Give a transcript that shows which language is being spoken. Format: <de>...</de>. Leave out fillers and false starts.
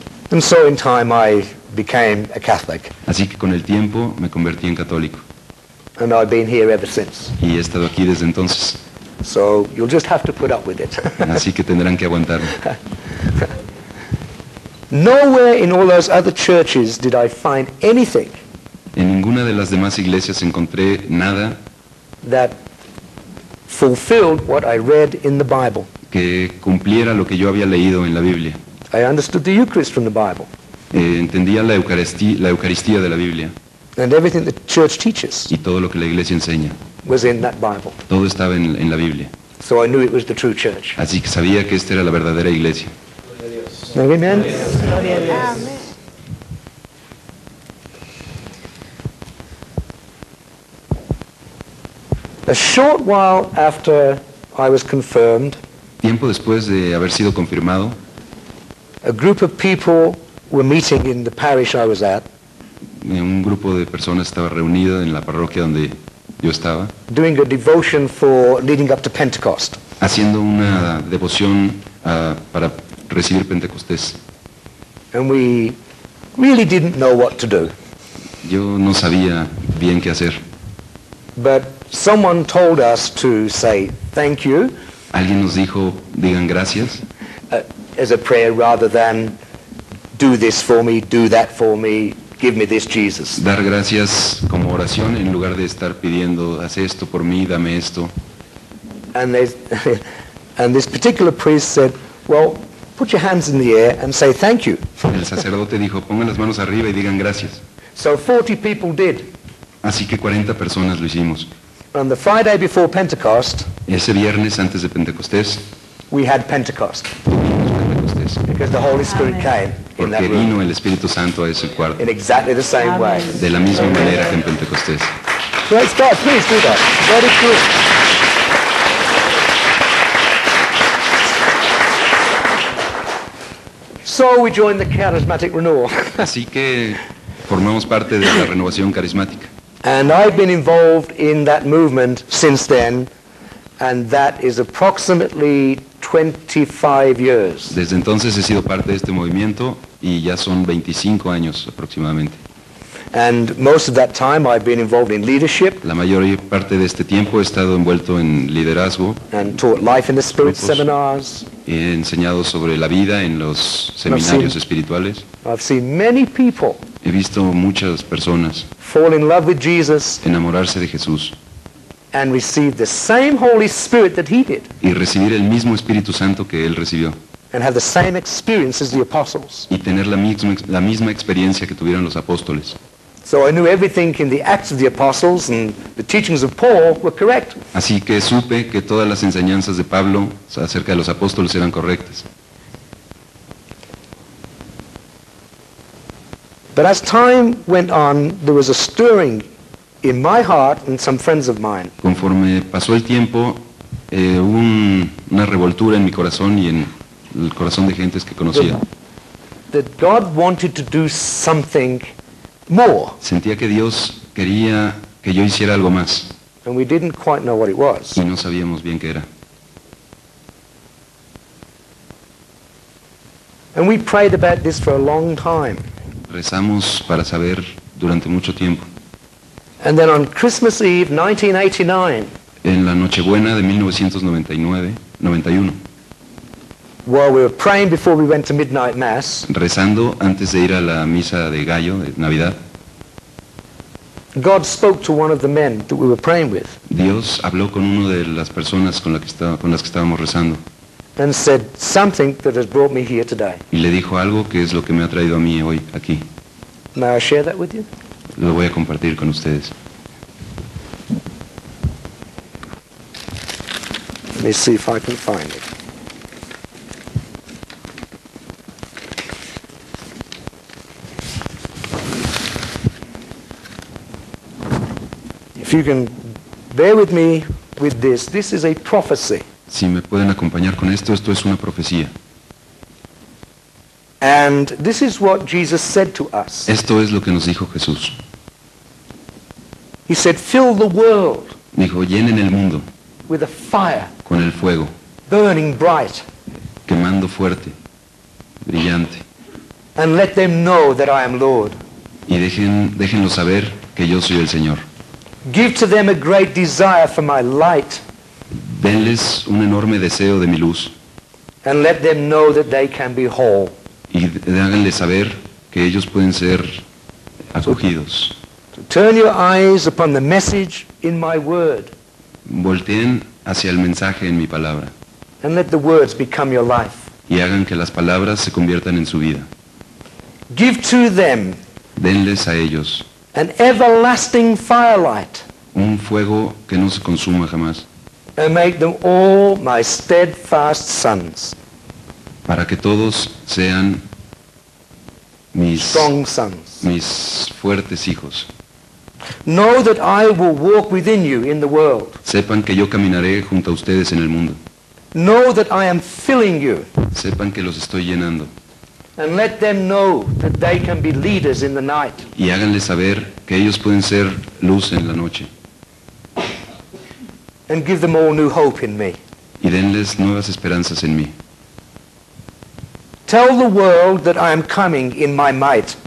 <en>And so in time I became a Catholic.</en> <es>Así que con el tiempo me convertí en católico.</es> <en>And I've been here ever since.</en> <es>Y he estado aquí desde entonces.</es> <en>So you'll just have to put up with it.</en> <es>Así que tendrán que aguantarme.</es> <en>Nowhere in all those other churches did I find anything.</en> <es>En ninguna de las demás iglesias encontré nada</es> <en>that fulfilled what I read in the Bible.</en> <es>Que cumpliera lo que yo había leído en la Biblia.</es> <en>I understood the Eucharist from the Bible.</en> <es>Entendía la Eucaristía de la Biblia.</es> <en>And everything the church teaches</en> <es>y todo lo que la iglesia enseña</es> <en>was in that Bible.</en> <es>Todo estaba en la Biblia.</es> <en>So I knew it was the true church.</en> <es>Así que sabía que esta era la verdadera iglesia. Amén.</es> <en>A short while after I was confirmed,</en> <es>tiempo después de haber sido confirmado,</es> <en>a group of people were meeting in the parish I was at.</en> <es>Un grupo de personas estaba reunido en la parroquia donde yo estaba.</es> <en>Doing a devotion for leading up to Pentecost.</en> <es>Haciendo una devoción para recibir Pentecostés.</es> <en>And we really didn't know what to do.</en> <es>Yo no sabía bien qué hacer.</es> <en>But someone told us to say thank you.</en> <es>Alguien nos dijo, digan gracias.</es> <en>As a prayer rather than do this for me, do that for me, give me this Jesus.</en> <es>Dar gracias como oración en lugar de estar pidiendo, haz esto por mí, dame esto.</es> <en>And this particular priest said, well, put your hands in the air and say thank you.</en> <es>El sacerdote dijo, pongan las manos arriba y digan gracias.</es> <en>So 40 people did.</en> <es>Así que 40 personas lo hicimos.</es> <en>On the Friday before Pentecost,</en> <es>ese viernes antes de Pentecostés,</es> <en>we had Pentecost.</en> <es>Tuvimos Pentecostés.</es> <en>Because the Holy Spirit came in that room.</en> <es>Porque vino el Espíritu Santo a ese cuarto.</es> <en>In exactly the same way.</en> <es>De la misma manera que en Pentecostés.</es> <en>Great start, please do that. Very good. So we joined the charismatic renewal.</en> <es>Así que formamos parte de la renovación carismática.</es> <en>And I've been involved in that movement since then, and that is approximately 25 years.</en> <es>Desde entonces he sido parte de este movimiento y ya son 25 años aproximadamente.</es> <en>And most of that time I've been involved in leadership.</en> <es>La mayor parte de este tiempo he estado envuelto en liderazgo.</es> <en>And taught life in the spirit seminars.</en> <es>He enseñado sobre la vida en los seminarios espirituales.</es> <en>I've seen many people.</en> <es>He visto muchas personas.</es> <en>Fall in love with Jesus.</en> <es>Enamorarse de Jesús.</es> <en>And receive the same Holy Spirit that he did.</en> <es>Y recibir el mismo Espíritu Santo que él recibió.</es> <en>And have the same experience as the apostles.</en> <es>Y tener la misma experiencia que tuvieron los apóstoles.</es> <en>So I knew everything in the Acts of the Apostles and the teachings of Paul were correct.</en> <es>Así que supe que todas las enseñanzas de Pablo acerca de los apóstoles eran correctas.</es> <en>But as time went on, there was a stirring in my heart and some friends of mine.</en> <es>Conforme pasó el tiempo, una revoltura en mi corazón y en el corazón de gentes que conocía.</es> <en>that God wanted to do something more.</en> <es>Sentía que Dios quería que yo hiciera algo más.</es> <en>And we didn't quite know what it was.</en> <es>Y no sabíamos bien qué era.</es> <en>And we prayed about this for a long time.</en> <es>Rezamos para saber durante mucho tiempo.</es> <en>And then on Christmas Eve 1989.</en> <es>En la Nochebuena de 1991.</es> <en>While we were praying before we went to midnight mass.</en> <es>Rezando antes de ir a la misa de gallo de Navidad.</es> <en>God spoke to one of the men that we were praying with.</en> <es>Dios habló con uno de las personas con las que estábamos rezando.</es> <en>And said something that has brought me here today.</en> <es>Y le dijo algo que es lo que me ha traído a mí hoy aquí.</es> <en>May I share that with you?</en> <es>Lo voy a compartir con ustedes.</es> <en>Let me see if I can find it. If you can bear with me with this, this is a prophecy.</en> <es>Si me pueden acompañar con esto, esto es una profecía.</es> <en>And this is what Jesus said to us.</en> <es>Esto es lo que nos dijo Jesús.</es> <en>He said, "Fill the world."</en> <es>Dijo, llenen el mundo.</es> <en>With a fire.</en> <es>Con el fuego.</es> <en>Burning bright.</en> <es>Quemando fuerte. Brillante.</es> <en>And let them know that I am Lord.</en> <es>Y déjenlo saber que yo soy el Señor.</es> <en>Give to them a great desire for my light.</en> <es>Denles un enorme deseo de mi luz.</es> <en>And let them know that they can be whole.</en> <es>Y háganles saber que ellos pueden ser acogidos.</es> <en>Turn your eyes upon the message in my word.</en> <es>Volteen hacia el mensaje en mi palabra.</es> <en>And let the words become your life.</en> <es>Y hagan que las palabras se conviertan en su vida.</es> <en>Give to them.</en> <es>Denles a ellos.</es> <en>An everlasting firelight.</en> <es>Un fuego que no se consuma jamás.</es> <en>And make them all my steadfast sons.</en> <es>Para que todos sean mis</es> <en>strong sons.</en> <es>Mis fuertes hijos.</es> <en>Know that I will walk within you in the world.</en> <es>Sepan que yo caminaré junto a ustedes en el mundo.</es> <en>Know that I am filling you.</en> <es>Sepan que los estoy llenando.</es> <en>And let them know that they can be leaders in the night.</en> <es>Y háganles saber que ellos pueden ser luz en la noche.</es> <en>And give them all new hope in me.</en> <es>Y denles nuevas esperanzas en mí.</es> <en>Tell the world that I am coming in my might.</en>